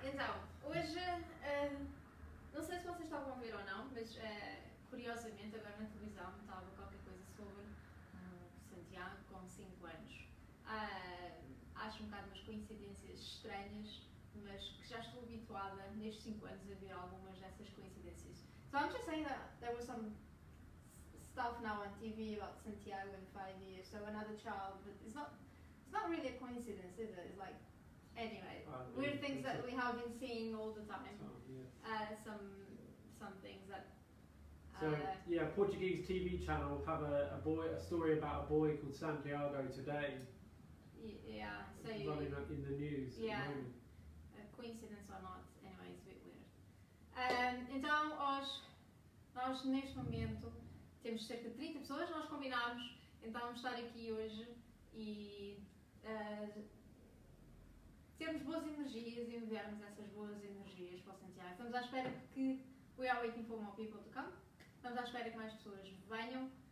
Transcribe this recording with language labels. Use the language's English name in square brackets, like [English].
[Portuguese] Então, hoje, não sei se vocês estavam a ver ou não, mas curiosamente agora na televisão estava qualquer coisa sobre Santiago com 5 anos. Acho um bocado umas coincidências estranhas, mas que já estou habituada nestes 5 anos a ver algumas dessas coincidências. [English] So I'm just saying that there was some stuff now on TV about Santiago in 5 years, so another child, but it's not really a coincidence, is it? It's like, anyway, weird things that we have been seeing all the time. Yes. Some things that... So, yeah, Portuguese TV channel have a story about a boy called Santiago today. Yeah, so... It's running in the news. Yeah, at the moment. A coincidence or not, anyway, it's a bit weird. [Portuguese] Então, hoje, nós neste momento temos cerca de 30 pessoas, nós combinámos então estar aqui hoje e termos boas energias e enviarmos essas boas energias para o Santiago. Estamos à espera que [English] we are waiting for more people to come. [Portuguese] Estamos à espera que mais pessoas venham.